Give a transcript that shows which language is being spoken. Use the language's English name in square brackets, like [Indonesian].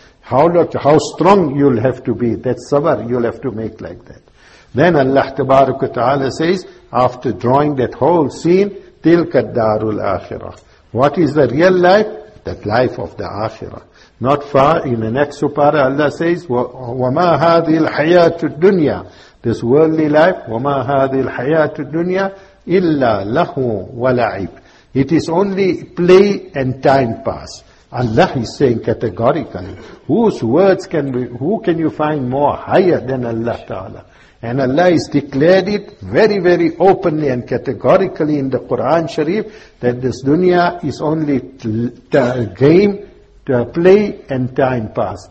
[English] How strong you'll have to be. That sabr you'll have to make like that. Then Allah tabaraka ta'ala says, after drawing that whole scene, [Arabic] tilka darul akhirah. [English] What is the real life? That life of the akhirah. Not far in the next supara, Allah says, [Arabic] وَمَا هَذِي الْحَيَاةُ الدُّنْيَا. [English] This worldly life, [Arabic] وَمَا هَذِي الْحَيَاةُ الدُّنْيَا إِلَّا لَهُ وَلَعِبْ. [English] It is only play and time pass. Allah is saying categorically, whose words can be, who can you find more higher than Allah Ta'ala? And Allah has declared it very, very openly and categorically in the Quran Sharif, that this dunya is only game, to play and time pass.